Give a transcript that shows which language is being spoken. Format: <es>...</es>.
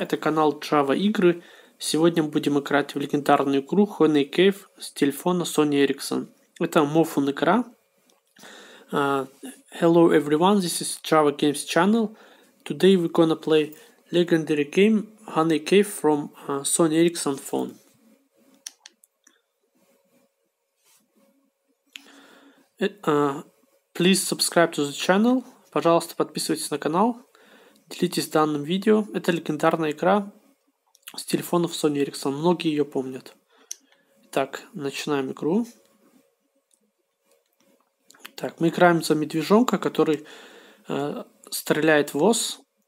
<ru>Это канал Java Игры. Сегодня будем играть в легендарную игру Honey Cave с телефона Sony Ericsson. Это Mophun игра.</ru> <en>Hello everyone, this is Java Games Channel. Today we're gonna play legendary game Honey Cave from Sony Ericsson phone. Please subscribe to the channel.</en> <ru>Пожалуйста, подписывайтесь на канал. Делитесь данным видео. Это легендарная игра с телефонов Sony Ericsson. Многие ее помнят. Так, начинаем игру. Так, мы играем за медвежонка, который стреляет в ВОС.</ru>